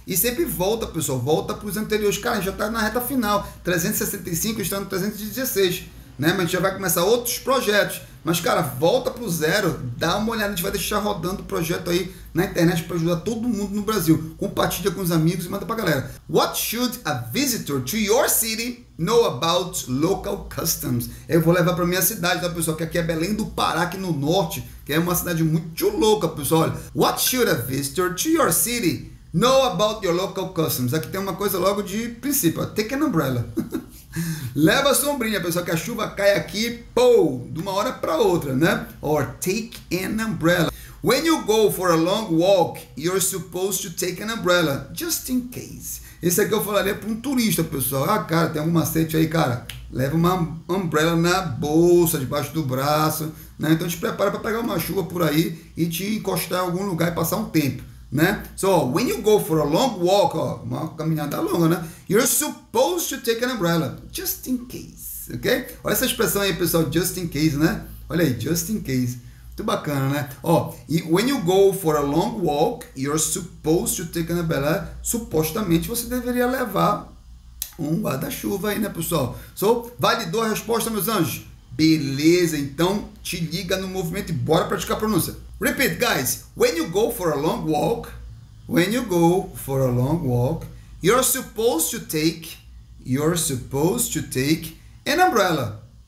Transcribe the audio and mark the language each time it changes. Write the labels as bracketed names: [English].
[Portuguese] E sempre volta, pessoal, volta para os anteriores. Cara, já tá na reta final. 365, está no 316. Né? Mas a gente já vai começar outros projetos. Mas, cara, volta pro zero, dá uma olhada. A gente vai deixar rodando o projeto aí na internet para ajudar todo mundo no Brasil. Compartilha com os amigos e manda pra galera. [English] What should a visitor to your city know about local customs? [Portuguese] Eu vou levar pra minha cidade, tá, pessoal? Que aqui é Belém do Pará, aqui no norte, que é uma cidade muito louca, pessoal. [English] Olha, what should a visitor to your city know about your local customs? [Portuguese] Aqui tem uma coisa logo de princípio. [English] Take an umbrella. [Portuguese] Leva a sombrinha, pessoal, que a chuva cai aqui, pô, de uma hora para outra, né? [English] Or take an umbrella. When you go for a long walk, you're supposed to take an umbrella, just in case. [Portuguese] Esse aqui eu falaria para um turista, pessoal. Ah, cara, tem algum macete aí, cara? Leva uma umbrella na bolsa, debaixo do braço, né? Então te prepara para pegar uma chuva por aí e te encostar em algum lugar e passar um tempo. Né? [English] So, when you go for a long walk, ó, [Portuguese] uma caminhada longa, né? [English] You're supposed to take an umbrella, just in case. ok? [Portuguese] Olha essa expressão aí, pessoal, just in case, né? Olha aí, just in case. Muito bacana, né? [English] Ó, e when you go for a long walk, you're supposed to take an umbrella. [Portuguese] Supostamente você deveria levar um guarda-chuva aí, né, pessoal? So, validou a resposta, meus anjos? Beleza, então te liga no movimento e bora praticar a pronúncia. [English] Repeat, guys. When you go for a long walk, you're supposed to take an umbrella.